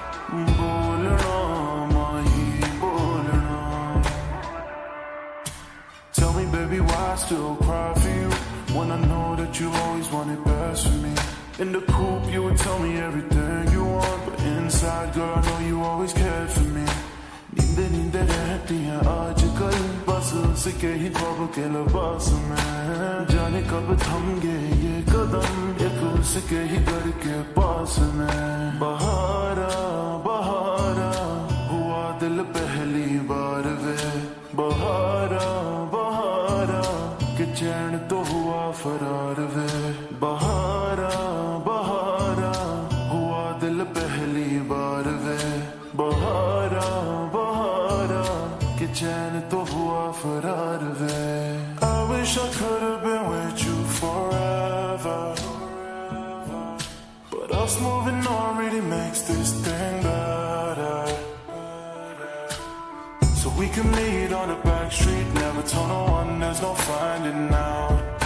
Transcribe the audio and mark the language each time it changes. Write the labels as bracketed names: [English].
[English] Bowling on my heat, bowling on. Tell me, baby, why I still cry for you when I know that you always wanted best for me. In the coupe, you would tell me everything you want, but inside, girl, I know you always cared for me. [Hindi] नींदे नींदे रहती हैं आजकल, बस उसके ही ख्वाब के लिबास में, जाने कब थमगे ये कदम एक उसके ही घर के पास में। बहारा बहारा हुआ दिल पहली बार वे, बहारा बहारा के चैन तो हुआ फरार वे। बहारा बहारा हुआ दिल पहली बार वे, बहारा बहारा के चैन तो हुआ फरार वे। [English] I wish I could have been with you forever, but us moving on really makes this thing better. So we can meet on the back street, never tell no one, there's no finding out.